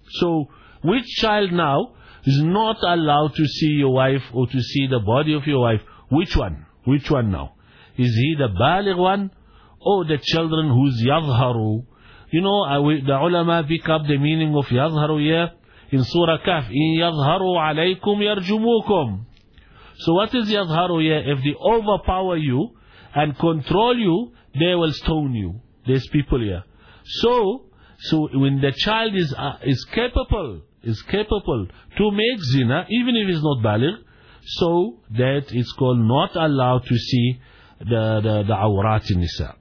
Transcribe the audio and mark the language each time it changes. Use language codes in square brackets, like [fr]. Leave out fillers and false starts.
[en] So, which child now is not allowed to see your wife or to see the body of your wife? Which one? Which one now? Is he the baligh one or the children who's yadhharu? You know, the ulama pick up the meaning of yadhharu here. In Surah Kahf, [ar] إِنْ يَظْهَرُوا عَلَيْكُمْ يَرْجُمُوكُمْ. [en] So what is يَظْهَرُوا here? If they overpower you and control you, they will stone you. There's people here. So when the child is capable to make zina, even if he's not baligh, so that it's called not allowed to see the awrat in nisa.